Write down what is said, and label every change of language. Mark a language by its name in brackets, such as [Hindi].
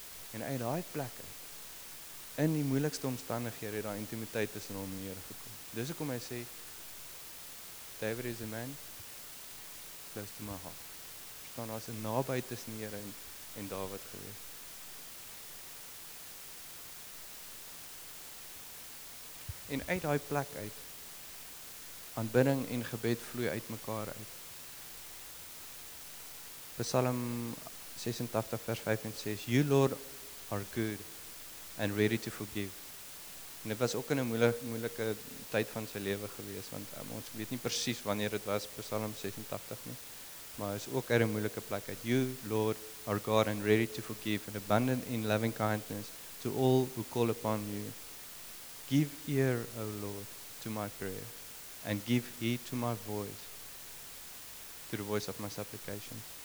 [Afrikaans] En uit daai plek uit, in die moeilikste omstandighede, het daai intimiteit tussen hom en die Here gekom. Dis hoekom hy sê, [English] David is a man, close to my heart. [Afrikaans] Verstaan, daar is 'n nabyheid tussen die Here en David gewees. En uit daai plek uit, aanbidding en gebed vloei uit mekaar uit. [English] Psalm 86 [Afrikaans] vers 5 en 6, [English] You Lord are good and ready to forgive. [Afrikaans] En dit was ook in 'n moeilike tyd van sy lewe gewees, want ons weet nie precies wanneer dit was, Psalm 86 nie, maar is ook uit 'n moeilike plek uit. [English] You Lord are God and ready to forgive and abundant in loving kindness to all who call upon you. Give ear, O Lord, to my prayer. And give heed to my voice, to the voice of my supplications.